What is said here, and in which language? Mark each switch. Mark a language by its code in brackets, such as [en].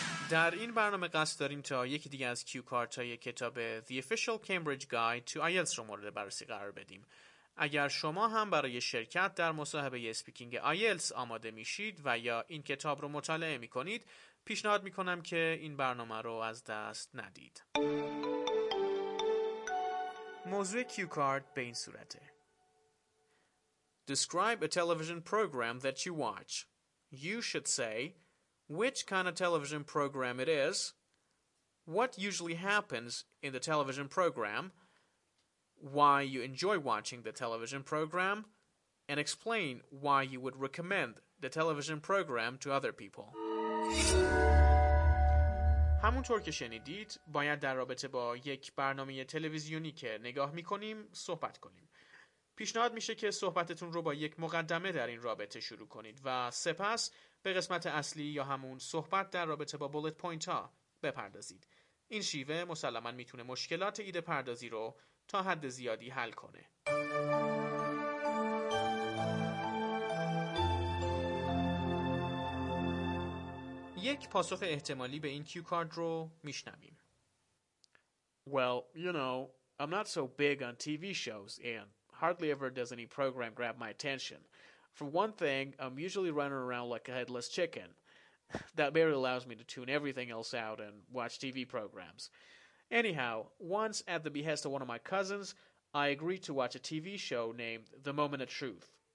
[fa] در این برنامه قصد داریم تا یکی دیگه از کیو کارت های کتاب The Official Cambridge Guide to IELTS رو مورد بررسی قرار بدیم. اگر شما هم برای شرکت در مصاحبه سپیکینگ IELTS آماده میشید و یا این کتاب رو مطالعه میکنید، پیشنهاد میکنم که این برنامه رو از دست ندید. موضوع کیو کارت به این صورته: [en] Describe a television program that you watch. You should say which kind of television program it is, what usually happens in the television program, why you enjoy watching the television program, and explain why you would recommend the television program to other people. [fa] همونطور که شنیدید، باید در رابطه با یک برنامه تلویزیونی که نگاه می‌کنیم صحبت کنیم. پیشنهاد میشه که صحبتتون رو با یک مقدمه در این رابطه شروع کنید و سپس به قسمت اصلی یا همون صحبت در رابطه با بولت پوینت ها بپردازید. این شیوه مسلماً میتونه مشکلات ایده پردازی رو تا حد زیادی حل کنه. یک پاسخ احتمالی به این کیو کارت رو میشنویم. [en] Well, you know, I'm not so big on TV shows and hardly ever does any program grab my attention. For one thing, I'm usually running around like a headless chicken. That barely allows me to tune everything else out and watch TV programs. Anyhow, once at the behest of one of my cousins, I agreed to watch a TV show named The Moment of Truth.